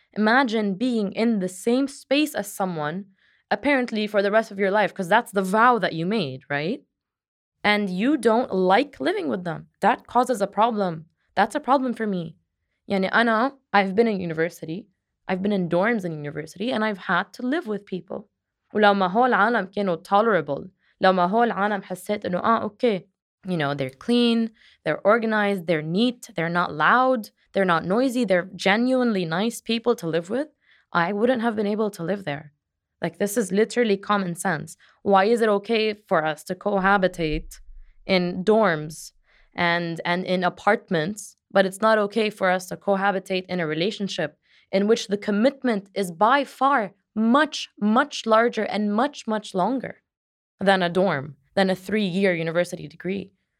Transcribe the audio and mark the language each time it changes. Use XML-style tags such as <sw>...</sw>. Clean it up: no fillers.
<en>Imagine being in the same space as someone, apparently for the rest of your life, because that's the vow that you made, right? And you don't like living with them. That causes a problem. That's a problem for me.</en> <ar>يعني أنا,</ar> <en>I've been in university, I've been in dorms in university, and I've had to live with people.</en> <ar>ولو ما هو العالم كانوا tolerable, لو ما هو العالم حسيت إنه آه أوكي,</ar> <en>you know, they're clean, they're organized, they're neat, they're not loud, they're not noisy, they're genuinely nice people to live with, I wouldn't have been able to live there. Like, this is literally common sense. Why is it okay for us to cohabitate in dorms and in apartments, but it's not okay for us to cohabitate in a relationship in which the commitment is by far much, much larger and much, much longer than a dorm, than a three-year university degree?</en>